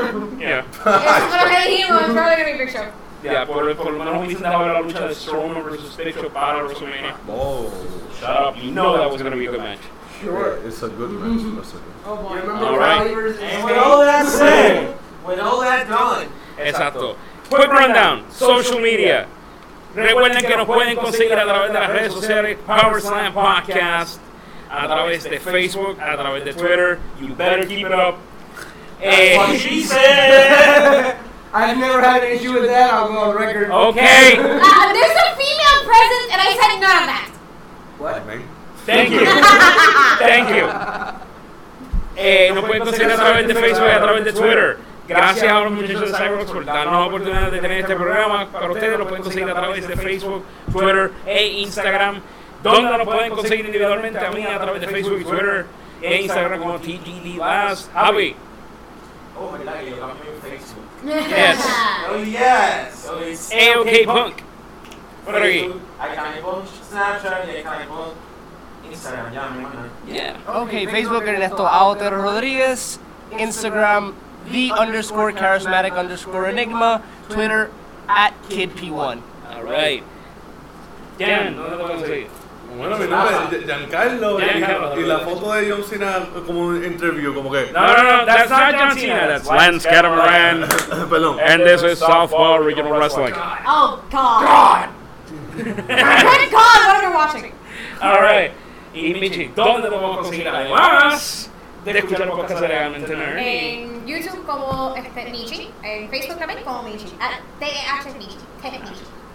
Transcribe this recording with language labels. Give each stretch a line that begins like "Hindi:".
English: It's going to be Hemo, it's probably going to be Big Show. Yeah,
Spanish: por lo menos hubiesen dejado la lucha de Strowman versus Big Show para WrestleMania.
English: Oh, shut up. You know that was going to be a good match. Sure. Yeah, it's a good match. Mm-hmm. That's a good match. Oh, boy. All right. And with all that said, with all that done.
Spanish: Exacto.
English: Quick rundown. Social media.
Spanish: Recuerden que nos pueden conseguir a través de las redes sociales Power Slam Podcast, a través de Facebook, a través de Twitter.
English: You better keep it up. That's what she said. I've never had an issue with that, I'll go on record. Okay. There's a female present, and I said none of that. What? Thank you. Thank you.
Spanish: nos pueden conseguir a través de Facebook y a través de Twitter. Gracias a los muchachos de Cyberworks por darnos la oportunidad de tener este programa. Para ustedes, lo pueden conseguir a través de Facebook, Twitter e Instagram. ¿Dónde lo pueden conseguir individualmente? A mí, a través de Facebook, Twitter e Instagram, como TTD Last. Javi.
English: Oh, my God, you're on Facebook. Yes. Oh yes. AOK Punk. What are you? I can post Snapchat. I can post Instagram. Yeah. Yeah. Okay. Facebook. Ernesto Aotero Rodriguez. Instagram. @_charismatic_enigma, Twitter @KidP1. All right. Dan,
Spanish: bueno, mi nombre es Giancarlo, y la foto de John Cena como un interview, como que...
English: No, that's not John Cena, that's Lance Catamaran, and this is Southpaw Regional Wrestling. Oh, God! Red God, what are you watching?
Spanish: All right, y Michi, ¿dónde lo vamos a conseguir además de escuchar los podcasts de Realmente Nerd? En YouTube como Michi, en Facebook también como Michi, @THMichi.